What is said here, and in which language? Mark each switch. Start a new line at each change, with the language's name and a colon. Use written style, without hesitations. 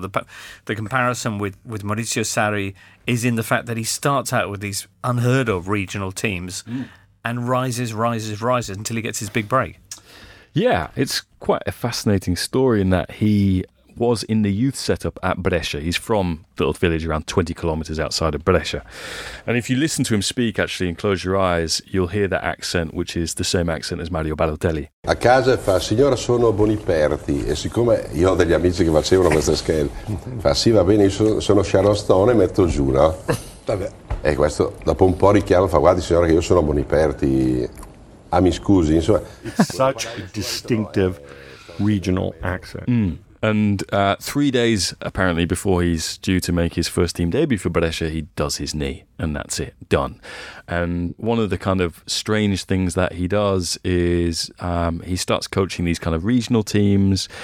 English: The comparison with Maurizio Sarri is in the fact that he starts out with these unheard-of regional teams and rises until he gets his big break. Yeah, it's quite a fascinating story in that he was in the youth setup at Brescia. He's from a little village around 20 kilometres outside of Brescia. And if you listen to him speak, actually, and close your eyes, you'll hear that accent, which is the same accent as Mario Balotelli.
Italian: A casa fa, signora, sono Boniperti. E siccome io ho degli amici che facevano queste scale, fa, sì, va bene, io sono Charleston e metto giù, no? Vabbè. E questo dopo un po' richiama, fa: guardi signora che io sono Boniperti, ah mi scusi, insomma.
English: Such a distinctive regional accent. Mm. And 3 days apparently before he's due to make his first team debut for Brescia, he does his knee and that's it, done. And one of the kind of strange things that he does is he starts coaching these kind of regional teams.